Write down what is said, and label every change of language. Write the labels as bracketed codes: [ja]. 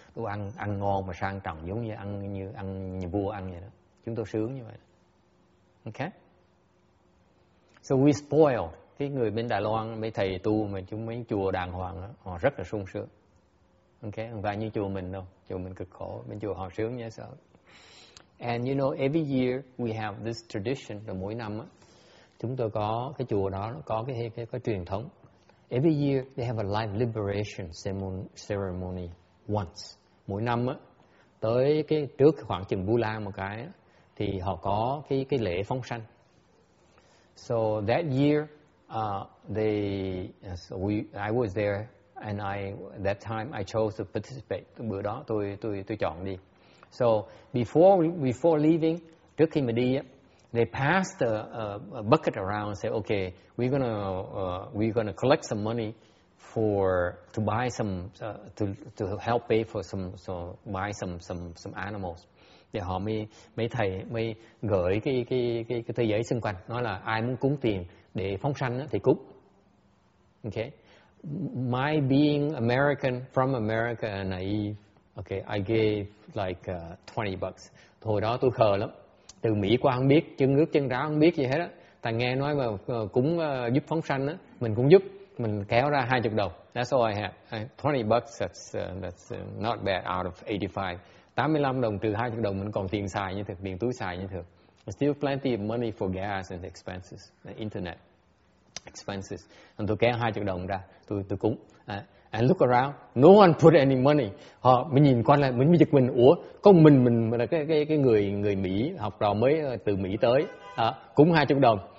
[vi] Tôi ăn ngon mà sang trọng giống như ăn như vua ăn vậy đó. Chúng tôi sướng như vậy. [en] Okay. So we spoil. [vi] Cái người bên Đài Loan, mấy thầy tu mà chúng mấy chùa đàng hoàng đó, họ rất là sung sướng. Okay, không phải như chùa mình đâu. Chùa mình cực khổ, bên chùa họ sướng như sao. [en] And you know, every year we have this tradition. [vi] Rồi mỗi năm, chúng tôi có cái chùa đó, nó có cái truyền thống. [en] Every year they have a life liberation ceremony once. [vi] Mỗi năm, tới cái trước khoảng chừng Vu Lan một cái, thì họ có cái lễ phóng sanh. [en] So that year, I was there, and that time I chose to participate. [vi] Bữa đó tôi chọn đi. [en] So before leaving, [vi] trước khi mà đi, [en] they passed a bucket around and say, okay, we're gonna collect some money to buy some animals. [vi] Thì họ mấy thầy mới gửi cái tờ giấy xung quanh, nói là ai muốn cúng tiền để phóng sanh thì cúng. [en] Okay. My being American, from America, and naive, okay, I gave like $20. [vi] Hồi đó tôi khờ lắm. Từ Mỹ qua không biết, chân ướt chân ráo không biết gì hết á. Tại nghe nói mà cúng giúp phóng sanh á, mình cũng giúp. Mình kéo ra $20. [en] That's all I had. $20, that's not bad out of 85. [vi] $85 trừ $20 mình còn tiền xài như thực, tiền túi xài như thực. [en] Still plenty of money for gas and expenses, the internet expenses. [vi] And tôi kéo $20 ra, tôi cúng. [en] And look around, no one put any money. [vi] Họ mình nhìn qua lại, mình giật mình, ủa, có mình là cái người Mỹ học trò mới từ Mỹ tới, cúng $20.